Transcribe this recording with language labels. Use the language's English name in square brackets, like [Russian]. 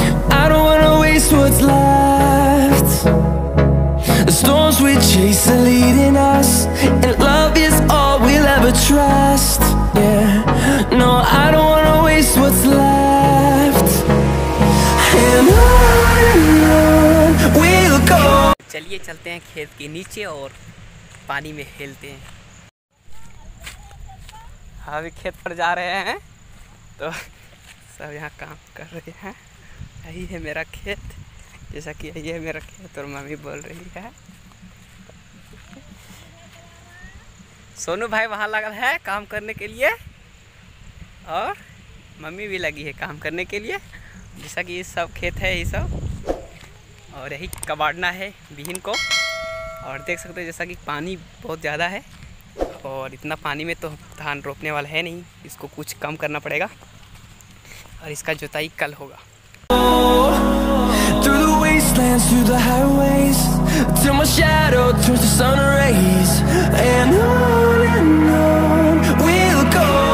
[English] I don't wanna waste what's left. The storms we chase are leading us, and love is all we'll ever trust. Yeah, no, I don't wanna waste what's left. And on we'll go. [Hindi] चलिए चलते हैं खेत के नीचे और पानी में खेलते हैं। अभी खेत पर जा रहे हैं तो सब यहाँ काम कर रहे हैं। यही है मेरा खेत, जैसा कि यही है मेरा खेत और मम्मी बोल रही है। सोनू भाई वहाँ लगा है काम करने के लिए और मम्मी भी लगी है काम करने के लिए, जैसा कि ये सब खेत है ये सब, और यही कबाड़ना है बीहन को। और देख सकते हैं जैसा कि पानी बहुत ज़्यादा है और इतना पानी में तो धान रोपने वाला है नहीं, इसको कुछ कम करना पड़ेगा और इसका जुताई कल होगा। [English] Through the wastelands, through the highways, till my shadow turns to sun rays, and on we'll go.